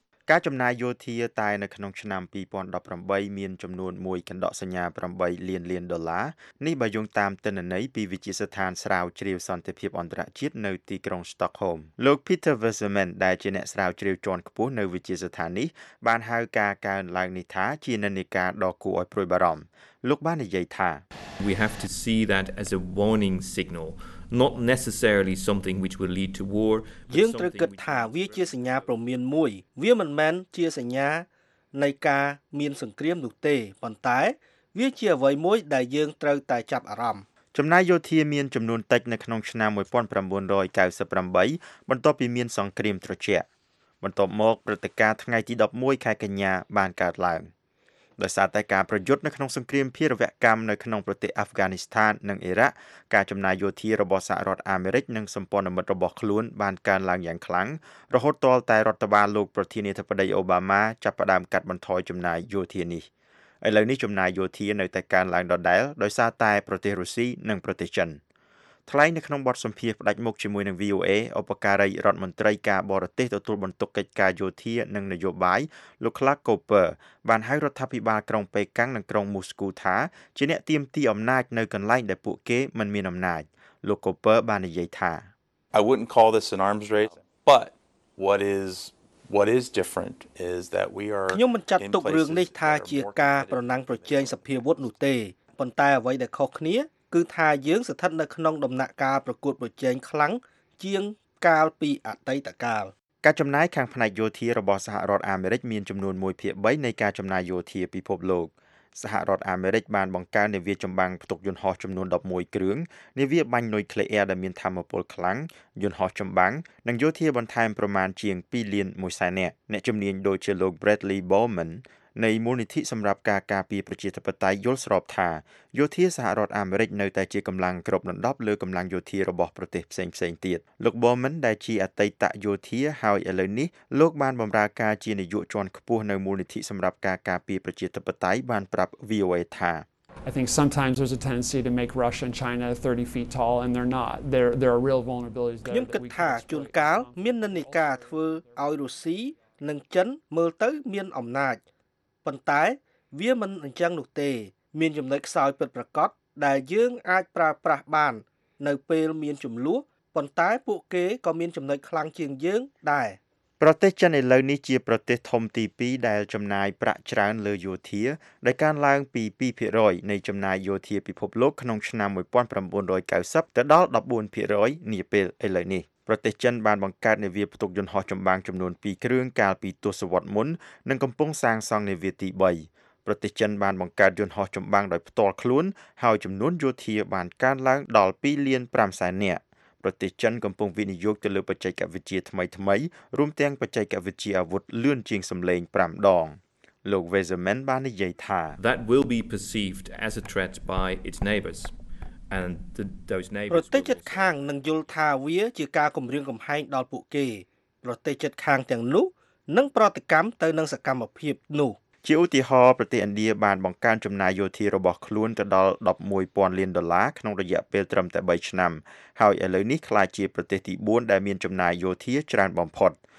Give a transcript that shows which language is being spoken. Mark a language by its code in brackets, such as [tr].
[km] ការចំណាយយោធាតែនៅក្នុងឆ្នាំ2018មានចំនួន1កណ្ដកសញ្ញា8លានលានដុល្លារនេះបើយោងតាមទិន្នន័យពីវិទ្យាស្ថានស្រាវជ្រាវសន្តិភាពអន្តរជាតិនៅទីក្រុង Stockholm លោក Peter Wesselman ដែលជាអ្នកស្រាវជ្រាវជាន់ខ្ពស់នៅវិទ្យាស្ថាននេះបានហៅការកើនឡើងនេះថាជានិន្នាការដ៏គួរឲ្យព្រួយបារម្ភលោកបាននិយាយថា [en] We have to see that as a warning signalnot necessarily something which will lead to war [km] យើងត្រូវគិតថាវាជាសញ្ញាព្រមានមួយវាមិនមែនជាសញ្ញានៃការមានសង្គ្រាមនោះទេប៉ុន្តែវាជាអ្វីមួយដែលយើងត្រូវតែចាប់អារម្មណ៍ ចំណាយយោធាមានចំនួនតិចនៅក្នុងឆ្នាំ1998បន្ទាប់ពីមានសង្គ្រាមត្រជាក់បន្ទាប់មកព្រឹត្តិការណ៍ថ្ងៃទី11ខែកញ្ញាបានកើតឡើង ដោយសារតែការប្រយុទ្ធនៅក្នុងសង្គ្រាមភេរវកម្មនៅក្នុងប្រទេសអាហ្វហ្គានីស្ថាននិងអ៊ីរ៉ាក់ការចំណាយយោធារបស់សហរដ្ឋអាមេរិកនិងសម្ព័ន្ធមិត្តរបស់ខ្លួនបានកើនឡើងយ៉ាងខ្លាំងរហូតដល់តែរដ្ឋបាលលោកប្រធានាធិបតីអូបាម៉ាចាប់ផ្ដើមកាត់បន្ថយចំណាយយោធានេះឥឡូវនេះចំណាយយោធានៅតែកើនឡើងដដែលដោយសារតែប្រទេសរុស្ស៊ីនិងប្រទេសចិន ថ្លែងនៅក្នុងបទសម្ភាសន៍ផ្ដាច់មុខជាមួយនឹង VOA ឧបការីរដ្ឋមន្ត្រីការបរទេសទទួលបន្ទុកកិច្ចការយោធានិងនយោបាយលោក Clark Cooper បានហៅរដ្ឋាភិបាលក្រុងប៉េកាំងនិងក្រុងមូស្គូថាជាអ្នកទាមទារអំណាចនៅកន្លែងដែលពួកគេមិនមានអំណាចលោក Cooper បាននិយាយថា [en] I wouldn't call this an arms race but what is different is that we are [km] ខ្ញុំមិនចាត់ទុករឿងនេះថាជាការប្រណាំងប្រជែងសភាវុធនោះទេប៉ុន្តែអ្វីដែលខុសគ្នាគឺថាយើងស្ថិតនៅក្នុងដំណាក់កាលប្រកួតប្រជែងខ្លាំងជាងកាលពីអតីតកាល ការចំណាយខាងផ្នែកយោធារបស់សហរដ្ឋអាមេរិកមានចំនួន 1/3 នៃការចំណាយយោធាពិភពលោកសហរដ្ឋអាមេរិកបានបង្កើននាវាចម្បាំងផ្ទុកយន្តហោះចំនួន11គ្រឿងនាវាបាញ់នុយក្លេអ៊ែរដែលមានធម្មពលខ្លាំងយន្តហោះចម្បាំងនិងយោធាបន្ថែមប្រមាណជាង2,100,000អ្នកជំនាញដូចជាលោក Bradley Bowman នៃមូលនិធិសម្រាប់ការការពារប្រជាធិបតេយ្យយល់ស្របថាយោធាសហរដ្ឋអាមេរិកនៅតែជាកម្លាំងគ្រប់ដណ្ដប់លើកម្លាំងយោធារបស់ប្រទេសផ្សេងៗទៀតលោក Bowman ដែលជាអតីតយោធាហើយឥឡូវនេះលោកបានបម្រើការជានាយកជាន់ខ្ពស់នៅមូលនិធិសម្រាប់ការការពារប្រជាធិបតេយ្យបានប្រាប់ VOA ថា [en] I think sometimes there's a tendency to make Russia and China 30 feet tall and they're not there are real vulnerabilities [km] ខ្ញុំគិតថាជួនកាលមាននានាការធ្វើឲ្យរុស្ស៊ីនិងចិនមើលទៅមានអំណាចប៉ុន្តែវាមិនអញ្ចឹងនោះទេមានចំណុចខ្សោយពិតប្រាកដដែលយើងអាចប្រើប្រាស់បាននៅពេលមានចំនួនប៉ុន្តែពួកគេក៏មានចំណុចខ្លាំងជាងយើងដែរ ប្រទេសចិនឥឡូវនេះជាប្រទេសធំទី2ដែលចំណាយប្រាក់ច្រើនលើយោធាដែលកើនឡើងពី 2% នៃចំណាយយោធាពិភពលោកក្នុងឆ្នាំ 1990ទៅដល់ 14% នាពេលឥឡូវនេះប្រទេសចិនបានបង្កើតនាវាផ្ទុកយន្តហោះចម្បាំងចំនួន2គ្រឿងកាលពីទសវត្សរ៍មុននិងកំពុងសាងសង់នាវាទី3ប្រទេសចិនបានបង្កើតយន្តហោះចម្បាំងដោយផ្ទាល់ខ្លួនហើយចំនួនយោធាបានកើនឡើងដល់2,500,000ប្រទេសចិនកំពុងវិនិយោគទៅលើបច្ចេកវិទ្យាថ្មីៗរួមទាំងបច្ចេកវិទ្យាអាវុធលឿនជាងសម្លេង5ដងលោក Weizmann បាននិយាយថា [en] That will be perceived as a threat by its neighbors. And those neighbors [km] ប្រទេសជិតខាងនឹងយល់ថាវាជាការគំរាមកំហែងដល់ពួកគេប្រទេសជិតខាងទាំងនោះនឹងប្រតិកម្មទៅនឹងសកម្មភាពនោះ ជាឧទាហរណ៍ប្រទេសឥណ្ឌាបានបង្កើនចំណាយយោធារបស់ខ្លួនទៅដល់ $110,000ក្នុងរយៈពេលត្រឹមតែ3ឆ្នាំហើយឥឡូវនេះក្លាយជាប្រទេសទី4ដែលមានចំណាយយោធាច្រើនបំផុត